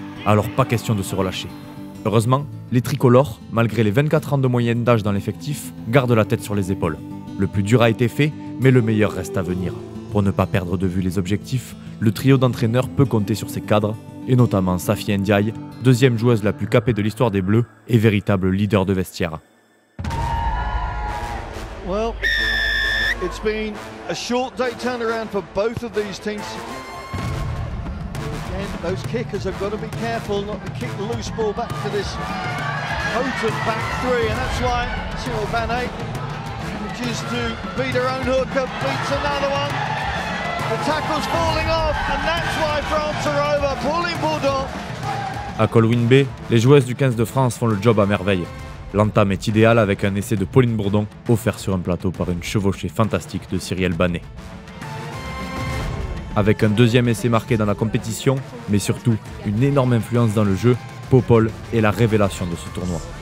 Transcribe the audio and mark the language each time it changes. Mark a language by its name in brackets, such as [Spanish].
[French] Alors pas question de se relâcher. Heureusement, les tricolores, malgré les 24 ans de moyenne d'âge dans l'effectif, gardent la tête sur les épaules. Le plus dur a été fait, mais le meilleur reste à venir. Pour ne pas perdre de vue les objectifs, le trio d'entraîneurs peut compter sur ses cadres, et notamment Safi Ndiaye, deuxième joueuse la plus capée de l'histoire des Bleus et véritable leader de vestiaire. [English] Well, it's been a short day turnaround for both of these teams. Again, those kickers have got to be careful not to kick the loose ball back to this potent back three, and that's why Cyril Banet manages to beat her own hooker, beats another one. The tackle's falling off, and that's why France are over. Pauline Bourdon. [French] À Colwyn Bay, les joueuses du 15 de France font le job à merveille. L'entame est idéale avec un essai de Pauline Bourdon, offert sur un plateau par une chevauchée fantastique de Cyrielle Banet. Avec un deuxième essai marqué dans la compétition, mais surtout une énorme influence dans le jeu, Popol est la révélation de ce tournoi.